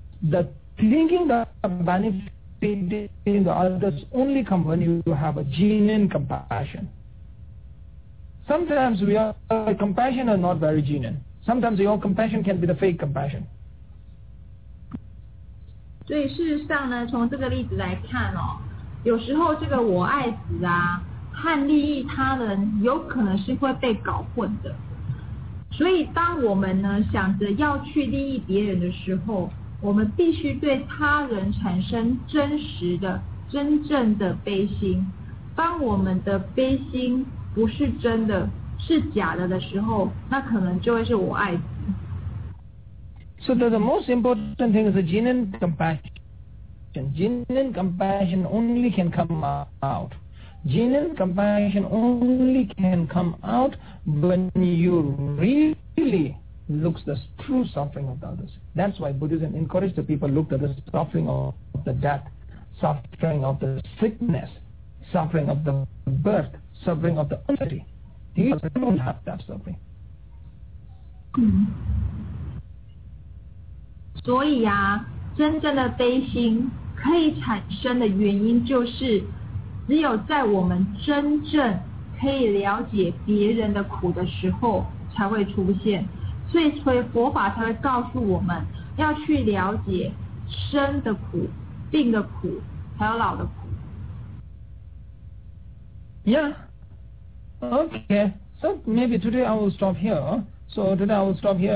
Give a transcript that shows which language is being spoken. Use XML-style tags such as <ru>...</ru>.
<en>The thinking the benefit in the others only come when you have a genuine compassion. Sometimes we are compassion are not very genuine. Sometimes your compassion can be the fake compassion.</en> <zh>所以事实上呢，从这个例子来看哦，有时候这个我爱子啊和利益他人有可能是会被搞混的，所以当我们呢想着要去利益别人的时候，我们必须对他人产生真实的、真正的悲心。当我们的悲心不是真的，是假的时候，那可能就会是我爱子。</zh> <en>So the most important thing is the genuine compassion. Genuine compassion only can come out. Genuine compassion only can come out when you really look at the true suffering of the others. That's why Buddhism encouraged the people to look at the suffering of the death, suffering of the sickness, suffering of the birth, suffering of the poverty. These don't have that suffering. Mm-hmm.</en> <zh>所以啊，真正的悲心可以产生的原因，就是只有在我们真正可以了解别人的苦的时候才会出现。所以佛法才会告诉我们要去了解生的苦、病的苦还有老的苦。</zh> <en>Yeah. Okay. So maybe today I will stop here. So today I will stop here.</en>